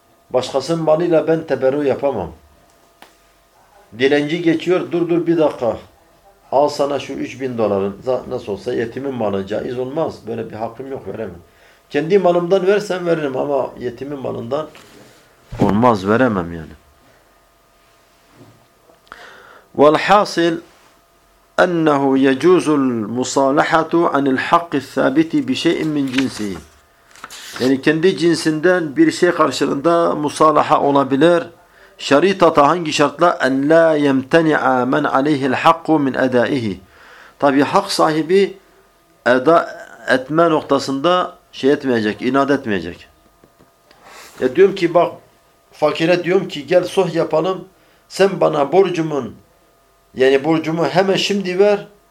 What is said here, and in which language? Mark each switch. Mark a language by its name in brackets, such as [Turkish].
[Turkish] Başkasının malıyla ben teberru yapamam. Dilenci geçiyor. Dur bir dakika. Al sana şu 3.000 doların. Nasıl olsa yetimin malı caiz olmaz. Böyle bir hakkım yok. Veremem. Kendi malımdan versem veririm ama yetimin malından olmaz. Veremem yani. Velhasil [Arabic] أنه يجوز المصالحة عن الحق الثابت بشيء من جنسه. يعني [Turkish] kendi cinsinden bir şey karşılığında musalaha olabilir. Şaritata hangi şartla? [Arabic] أن لا يمتنع من عليه الحق من أدائه. [Turkish] Tabi hak sahibi eda etme noktasında şey etmeyecek, inat etmeyecek. Ya diyorum ki bak fakire diyorum ki gel sulh yapalım. Sen bana borcumun yani borcumu hemen şimdi ver.